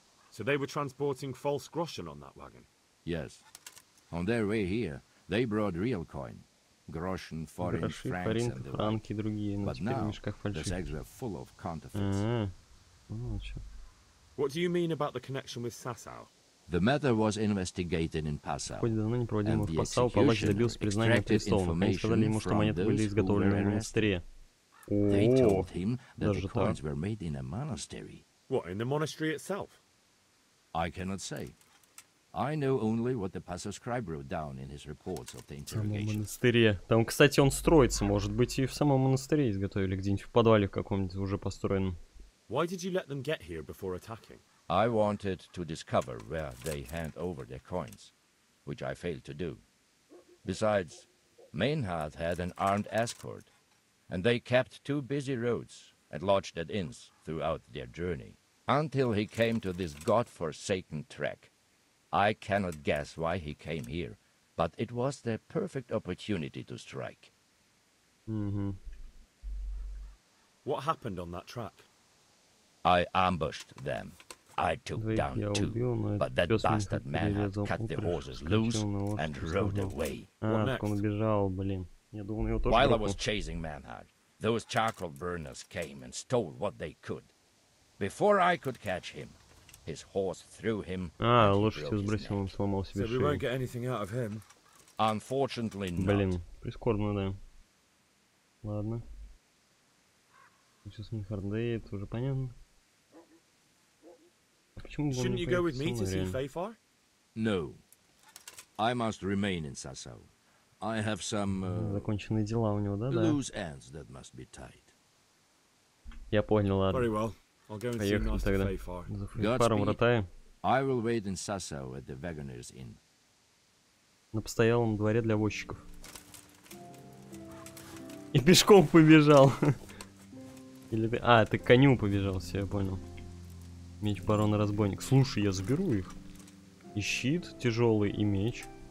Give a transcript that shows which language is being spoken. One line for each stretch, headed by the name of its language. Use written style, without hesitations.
English: So they were transporting false groschen on that wagon? Yes. On their way here, they brought real coin. Groschen,
Russian: франки, другие, но
English: but
Russian: теперь в мешках фальшивых.
English: What do you mean about the connection with Sasau? The matter was investigated in Pasau.
Russian: Хоть давно не проводим в Пасау, палач добился признания престола. Они сказали ему, что монеты были изготовлены в монастыре. Даже так.
English: Were made in a monastery. What, in the monastery itself? I cannot say. I know only what the Paso scribe wrote down in his reports of the interrogation.
Russian: В самом монастыре. Там, кстати, он строится. Может быть, и в самом монастыре изготовили где-нибудь в подвале каком-нибудь уже построенном.
English: Why did you let them get here before attacking? I wanted to discover where they hand over their coins, which I failed to do. Besides, Maynard had an armed escort, and they kept two busy roads and lodged at inns throughout their journey. Until he came to this godforsaken track. I cannot guess why he came here, but it was the perfect opportunity to strike. Mm-hmm. What happened on that track? I ambushed them. I took down two, but that bastard man cut the horses loose and rode away. While I was chasing Manhart, those charcoal burners came and stole what they could. Before I could catch him, his horse threw him.
Russian: Лошадь сбросил, он сломал себе шею.
English: So we won't get anything out of him. Unfortunately, not.
Russian: Блин, прискорбно, да. Ладно. Сейчас Минхардейт, уже понятно. А почему бы
English: Shouldn't
Russian: он не
English: you go with me to see Feyfar? No, I must remain in Sasso. I have some.
Russian: Законченные дела у него, да, да.
English: Loose ends that must be tied.
Russian: Я понял, ладно.
English: Very well.
Russian: Поехали тогда.
English: Godspeed.
Russian: Вратаем.
English: I will wait in Sasau at the Wagoner's Inn.
Russian: На постоялом дворе для возчиков. И пешком побежал. Или ты... А, ты к коню побежал, все, я понял. Меч барона разбойник. Слушай, я заберу их. И щит тяжелый, и меч.